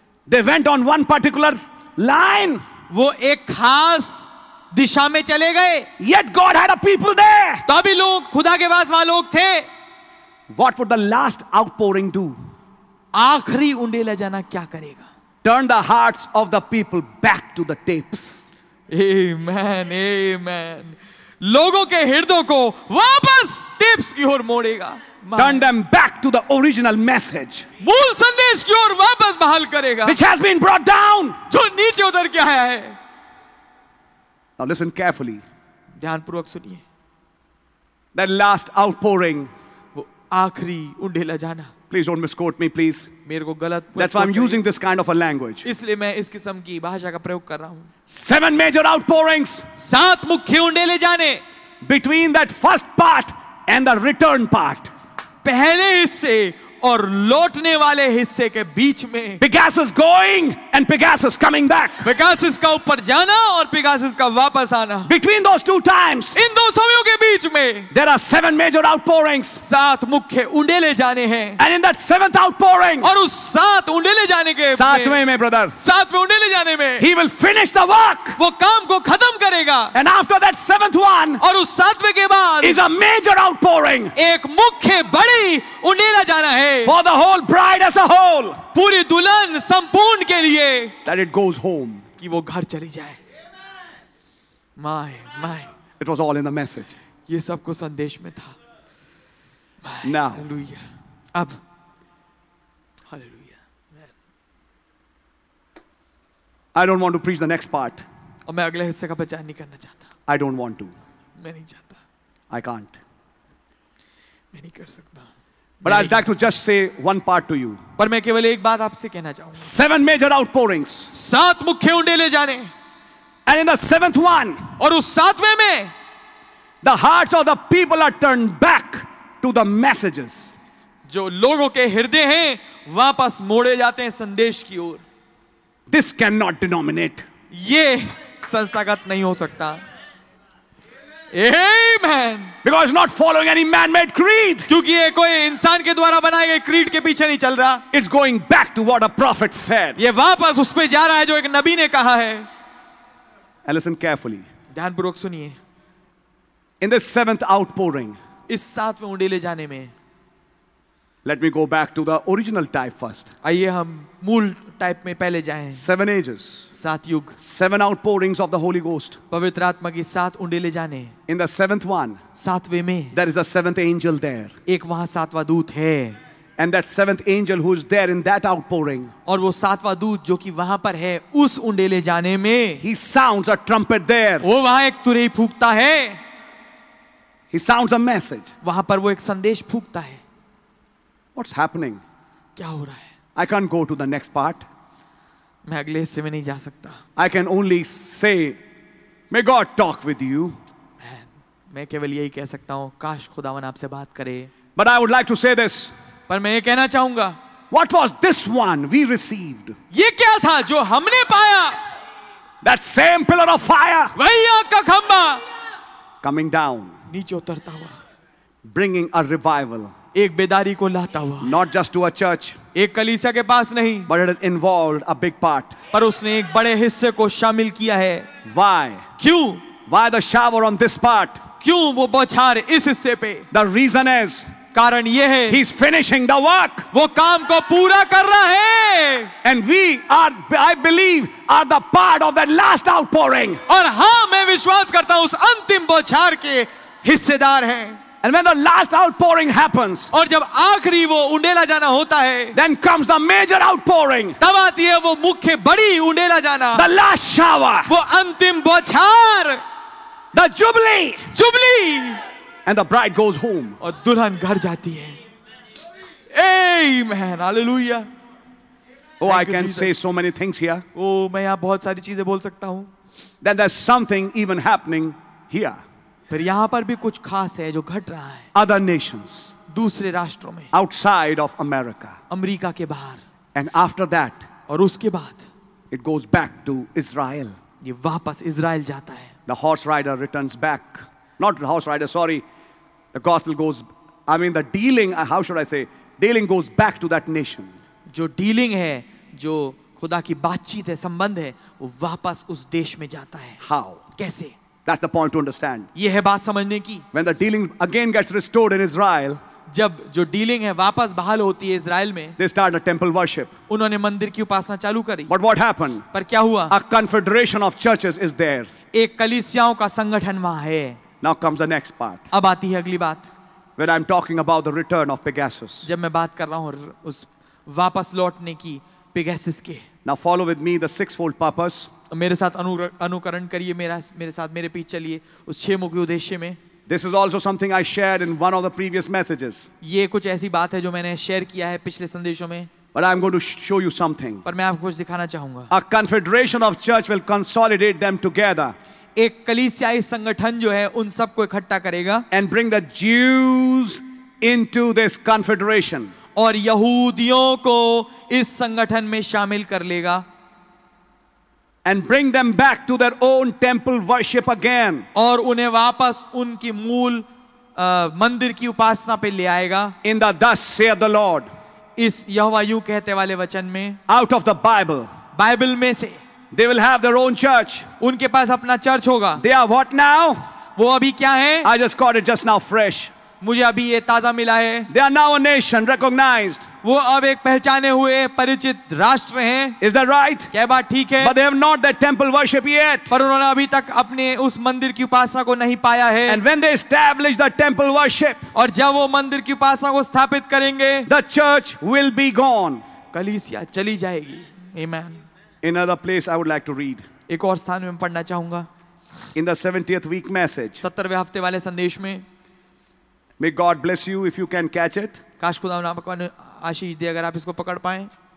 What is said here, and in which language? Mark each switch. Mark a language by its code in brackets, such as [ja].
[en] They went on one particular line. [hi] वो एक खास दिशा में चले गए. [en] Yet God had a people there. [hi] तभी लोग खुदा के पास वहां लोग थे. [en] What would the last outpouring do? [hi] आखिरी उंडेला जाना क्या करेगा? [en] Turn the hearts of the people back to the tapes. Amen. Amen. [hi] लोगों के हृदयों को वापस टिप्स की ओर मोड़ेगा. [en] Turn them back to the original message. [hi] मूल संदेश की ओर वापस बहाल करेगा. [en] Which has been brought down. [hi] जो नीचे उतर के आया है. [en] Now listen carefully. [hi] ध्यानपूर्वक सुनिए. [en] That last outpouring. [hi] वो आखिरी उंडेला जाना. [en] Please don't misquote me, please. [hi] मेरे को गलत. [en] That's why I'm using this kind of a language. [hi] इसलिए मैं इस किस्म की भाषा का प्रयोग कर रहा हूँ. [en] 7 major outpourings. [hi] 7 मुख्य उंडेले जाने. [en] Between that first part and the return part. [hi] पहले हिस्से और लौटने वाले हिस्से के बीच में. [en] Pegasus going and Pegasus coming back. [hi] Pegasus का ऊपर जाना और Pegasus का वापस आना. [en] Between those two times. [hi] इन दो समयों के बीच में. [en] There are 7 major outpourings. [hi] 7 मुख्य उंडेले जाने हैं. [en] And in that 7th outpouring. [hi] और उस 7 उंडेले जाने के. सातवें में brother. सातवें उंडेले जाने में. [en] He will finish the work. [hi] वो काम को खत्म करेगा. [en] And after that 7th one. [hi] और उस सातवें के बाद. [en] Is a major outpouring. [hi] एक मुख्य बड़ी उंडेला जाना है. [en] For the whole bride as a whole. [hi] पूरी दुल्हन संपूर्ण के लिए. [en] That it goes home. [hi] कि वो घर चली जाए. My. [en] It was all in the message. [hi] ये सब को संदेश में था. My. [en] Now. [hi] Hallelujah. अब. Hallelujah. [en] I don't want to preach the next part. [hi] और मैं अगले हिस्से का प्रचार नहीं करना चाहता. [en] I don't want to. [hi] मैं नहीं चाहता. [en] I can't. [hi] मैं नहीं कर सकता. [en] But I'd like to just say one part to you. [hi] पर मैं केवल एक बात आपसे कहना चाहूंगा. [en] Seven major outpourings. [hi] सात मुख्य उंडेले जाने. [en] And in the seventh one. [hi] और उस सातवें में. [en] The hearts of the people are turned back to the messages. [hi] जो लोगों के हृदय हैं वापस मोड़े जाते हैं संदेश की ओर. [en] This cannot denominate. [hi] ये संस्थागत नहीं हो सकता. Amen. [en] Because it's not following any man-made creed. [hi] क्योंकि ये कोई इंसान के द्वारा बनाए गए creed के पीछे नहीं चल रहा. [en] It's going back to what a prophet said. [hi] ये वापस उस पे जा रहा है जो एक नबी ने कहा है. [en] And listen carefully. [hi] ध्यान पूर्वक सुनिए. [en] In the seventh outpouring. [hi] इस सातवें उंडेले जाने में. [en] Let me go back to the original type first. [hi] आइए हम मूल टाइप में पहले जाएं. [en] Seven ages. [hi] सात युग. [en] Seven outpourings of the Holy Ghost. [hi] पवित्र आत्मा की सात उंडेले जाने. [en] In the seventh one. [hi] सातवें में. [en] There is a seventh angel there. [hi] एक वहां सातवां दूत है. [en] And that seventh angel who is there in that outpouring. [hi] और वो सातवां दूत जो कि वहां पर है उस उंडेले जाने में. [en] He sounds a trumpet there. [hi] वो वहां एक तुरही फूंकता है. [en] He sounds a message. [hi] वहां पर वो एक संदेश फूंकता है. [en] What's happening? [hi] क्या हो रहा है? [en] I can't go to the next part. [hi] मैं अगले हिस्से में नहीं जा सकता. [en] I can only say, may God talk with you. [hi] मैं केवल यही कह सकता हूँ, काश खुदावन आपसे बात करे. [en] But I would like to say this. [hi] पर मैं ये कहना चाहूँगा. [en] What was this one we received? [hi] ये क्या था जो हमने पाया? [en] That same pillar of fire. [hi] वही आग का खंभा. [en] Coming down. [hi] नीचे उतरता हुआ. [en] Bringing a revival. [hi] एक बेदारी को लाता हुआ. [en] Not just to a church. [hi] एक कलीसिया के पास नहीं. [en] But it has involved a big part. [hi] पर उसने एक बड़े हिस्से को शामिल किया है. [en] Why? [hi] क्यों? [en] Why the shower on this part? [hi] क्यों वो बौछार इस हिस्से पे? [en] The reason is. [hi] कारण ये है. [en] He's finishing the work. [hi] वो काम को पूरा कर रहा है. [en] And we are, I believe, are the part of that last outpouring. [hi] और हाँ, मैं विश्वास करता हूँ उस अंतिम बौछार के हिस्सेदार हैं. [en] And when the last outpouring happens, [hi] और जब आखिरी वो उंडेला जाना होता है, [en] then comes the major outpouring. [hi] तब आती है वो मुख्य बड़ी उंडेला जाना. [en] The last shower. [hi] वो अंतिम बौछार. [en] The jubilee. [hi] Jubilee. [en] And the bride goes home. [hi] और दुल्हन घर जाती है. Amen. Hallelujah. [en] Oh, I can say so many things here. [hi] Oh, मैं यहाँ बहुत सारी चीजें बोल सकता हूँ. [en] That there's something even happening here. [hi] फिर यहां पर भी कुछ खास है जो घट रहा है. [en] other nations, [hi] दूसरे राष्ट्रों में. [en] outside of America, [hi] अमेरिका के बाहर. [en] and after that, [hi] और उसके बाद. [en] it goes back to Israel, [hi] ये वापस इज़राइल जाता है. [en] The horse rider returns back, not the horse rider, sorry, the gospel goes, I mean the dealing, how should I say, dealing goes back to that nation. [hi] जो dealing है, जो खुदा की बातचीत है, संबंध है, वो वापस उस देश में जाता है. [en] how, [hi] कैसे? [en] That's the point to understand. [hi] ये है बात समझने की. [en] When the dealing again gets restored in Israel, [hi] जब जो dealing है वापस बहाल होती है इज़राइल में, [en] they start a temple worship. [hi] उन्होंने मंदिर की उपासना चालू करी. [en] But what happened? [hi] पर क्या हुआ? [en] A confederation of churches is there. [hi] एक कलीसियाओं का संगठन वहाँ है. [en] Now comes the next part. [hi] अब आती है अगली बात. [en] When I'm talking about the return of Pegasus. [hi] जब मैं बात कर रहा हूँ उस वापस लौटने की Pegasus के. [en] Now follow with me the sixfold purpose. [hi] मेरे साथ अनुकरण करिए, मेरे साथ, मेरे पीछे चलिए उस छह मुख्य उद्देश्य में. [en] This is also something I shared in one of the previous messages. [hi] ये कुछ ऐसी बात है जो मैंने शेयर किया है पिछले संदेशों में. [en] But I'm going to show you something. [hi] पर मैं आपको कुछ दिखाना चाहूंगा. [en] A confederation of church will consolidate them together. [hi] एक कलीसियाई संगठन जो है उन सबको इकट्ठा करेगा. [en] And bring the Jews into this confederation. [hi] और यहूदियों को इस संगठन में शामिल कर लेगा. [en] And bring them back to their own temple worship again. [hi] और उन्हें वापस उनकी मूल मंदिर की उपासना पे ले आएगा. [en] In the thus saith the Lord. [hi] इस यहोवा यूं कहते वाले वचन में. [en] Out of the Bible. [hi] Bible में से. [en] They will have their own church. [hi] उनके पास अपना चर्च होगा. [en] They are what now? [hi] वो अभी क्या है? [en] I just caught it just now fresh. [hi] मुझे अभी ये ताजा मिला है. [en] They are now a nation recognized. [hi] वो अब एक पहचाने हुए परिचित राष्ट्र हैं. [en] Is that right? [hi] क्या बात, ठीक है. [en] But they have not that temple worship yet. [hi] पर उन्होंने अभी तक अपने उस मंदिर की उपासना को नहीं पाया है. [en] And when they establish the temple worship, [hi] और जब वो मंदिर की उपासना को स्थापित करेंगे, [en] the church will be gone. [hi] कलीसिया चली जाएगी. Amen. [en] In another place, I would like to read. [hi] एक और स्थान में पढ़ना चाहूंगा. [en] In the 70th week message. [hi] 70वें हफ्ते वाले संदेश में. [en] May God bless you if you can catch it. [hi] काश खुदा आपको आशीष दे अगर आप इसको पकड़ पाए.